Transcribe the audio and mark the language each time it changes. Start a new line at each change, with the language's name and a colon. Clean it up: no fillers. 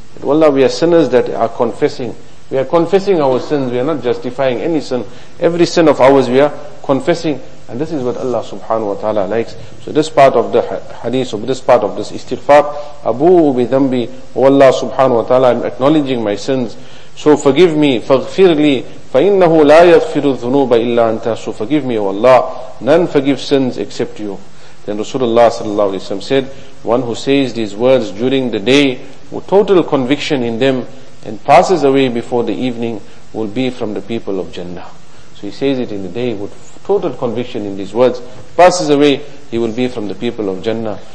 English: That, oh Allah, we are sinners that are confessing. We are confessing our sins. We are not justifying any sin. Every sin of ours we are confessing. And this is what Allah subhanahu wa ta'ala likes. So this part of the hadith, or this part of this istighfar,
Arabic: أَبُوءُ بِذَنْبِي وَاللَّهُ سُبْحَانَهُ وَتَعَالَى,
English: I'm acknowledging my sins. So forgive me,
Arabic: فَغْفِرْ لِي فَإِنَّهُ لَا يَغْفِرُ الذُّنُوبَ إِلَّا أَنْتَ.
English: So forgive me, O Allah. None forgive sins except you. Then Rasulullah sallallahu alayhi wa sallam said, one who says these words during the day with total conviction in them and passes away before the evening will be from the people of Jannah. So he says it in the day with total conviction in these words, passes away, he will be from the people of Jannah.